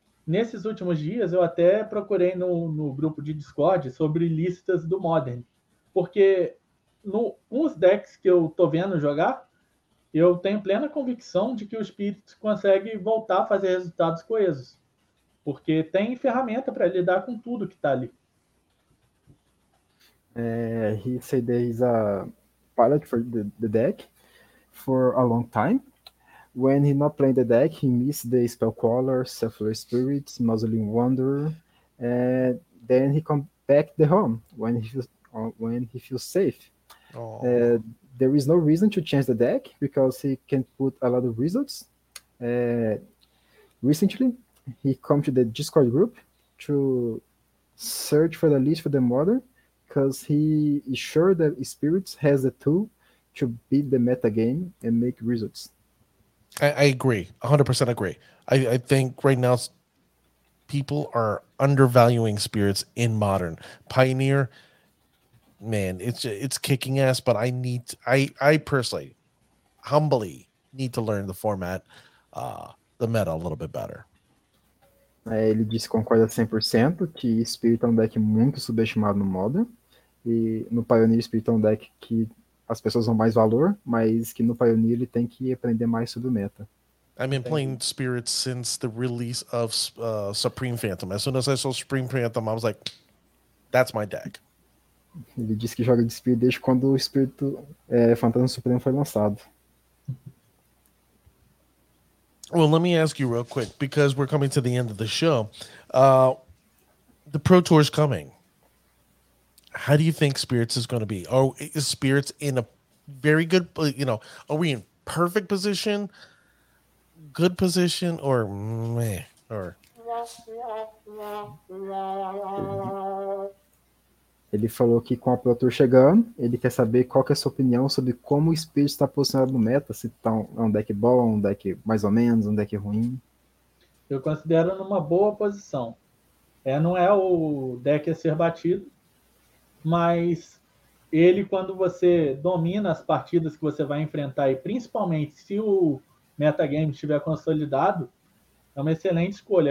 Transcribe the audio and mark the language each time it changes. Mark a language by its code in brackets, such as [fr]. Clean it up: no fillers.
[pt] Nesses últimos dias, eu até procurei no grupo de Discord sobre listas do Modern. Porque uns decks que eu estou vendo jogar, eu tenho plena convicção de que o Spirits consegue voltar a fazer resultados coesos. Porque tem ferramenta para lidar com tudo que está ali. [en] He said there is a pilot for the deck for a long time. When he not playing the deck, he missed the Spellcaller, Selfless Spirits, Mausoleum Wanderer. And then he come back the home when he feels safe. Oh. There is no reason to change the deck because he can put a lot of results. Recently, he come to the Discord group to search for the list for the Modern, because he is sure that Spirits has the tool to beat the meta game and make results. I agree, 100% agree. I think right now people are undervaluing Spirits in Modern. Pioneer, man, it's kicking ass, but I personally, humbly, need to learn the format, the meta a little bit better. [pt] Ele disse que concorda 100% que Spirit é um deck muito subestimado no Modern. E no Pioneer, Spirit é um deck que as pessoas dão mais valor, mas que no Pioneer ele tem que aprender mais sobre o meta. [en] I've been playing Spirit since the release of Supreme Phantom. As soon as I saw Supreme Phantom, I was like, that's my deck. [pt] Ele disse que joga de Spirit desde quando o Spirit Phantom Supremo foi lançado. [en] Well, let me ask you real quick, because we're coming to the end of the show. The Pro Tour is coming. How do you think Spirits is going to be? Is Spirits in a very good, you know, are we in perfect position, good position, or meh? Or... [pt] Ele falou que com a Pro Tour chegando, ele quer saber qual que é a sua opinião sobre como o Spirit está posicionado no meta, se tá um deck bom, um deck mais ou menos, um deck ruim. Eu considero numa boa posição. É, não é o deck a ser batido, mas ele, quando você domina as partidas que você vai enfrentar, e principalmente se o metagame estiver consolidado, é uma excelente escolha.